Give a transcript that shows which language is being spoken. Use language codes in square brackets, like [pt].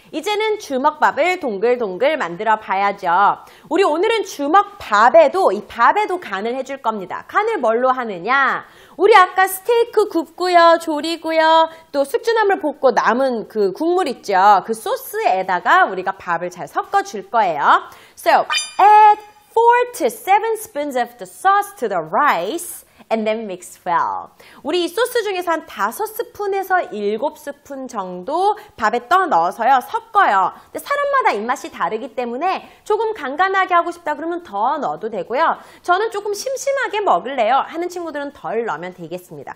[ko] 이제는 주먹밥을 동글동글 만들어 봐야죠. 우리 오늘은 주먹밥에도, 이 밥에도 간을 해줄 겁니다. 간을 뭘로 하느냐? 우리 아까 스테이크 굽고요, 조리고요, 또 숙주나물 볶고 남은 그 국물 있죠. 그 소스에다가 우리가 밥을 잘 섞어줄 거예요. [en] So, add 4 to 7 spoons of the sauce to the rice. And then mix well. [ko] 우리 이 소스 중에서 한 5스푼에서 7스푼 정도 밥에 떠넣어서요. 섞어요. 근데 사람마다 입맛이 다르기 때문에 조금 간간하게 하고 싶다 그러면 더 넣어도 되고요. 저는 조금 심심하게 먹을래요 하는 친구들은 덜 넣으면 되겠습니다.